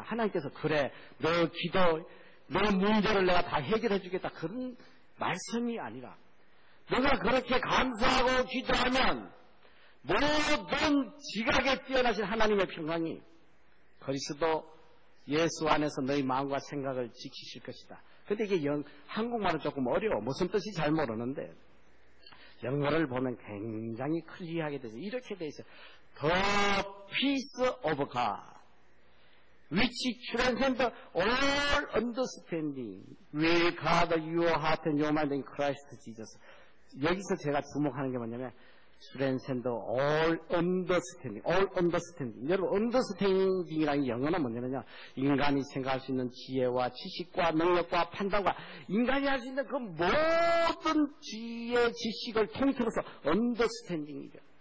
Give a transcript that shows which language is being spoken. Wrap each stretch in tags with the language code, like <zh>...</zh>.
<ko>하나님께서 그래 너 기도 너 문제를 내가 다 해결해 주겠다 그런 말씀이 아니라 너가 그렇게 감사하고 기도하면 모든 지각에 뛰어나신 하나님의 평강이 그리스도 예수 안에서 너희 마음과 생각을 지키실 것이다. 근데 이게 한국말은 조금 어려워. 무슨 뜻이 잘 모르는데 영어를 보면 굉장히 클리어하게 돼서 이렇게 돼 있어요.</ko> <en>The peace of God which transcends all understanding will guard your heart and your mind in Christ Jesus.</en> <ko>여기서 제가 주목하는 게 뭐냐면</ko> <en>transcends all understanding. All understanding.</en> <ko>여러분, understanding이라는 영어는 뭐냐면요. 인간이 생각할 수 있는 지혜와 지식과 능력과 판단과 인간이 할 수 있는 그 모든 지혜, 지식을 통틀어서 understanding이죠.</ko>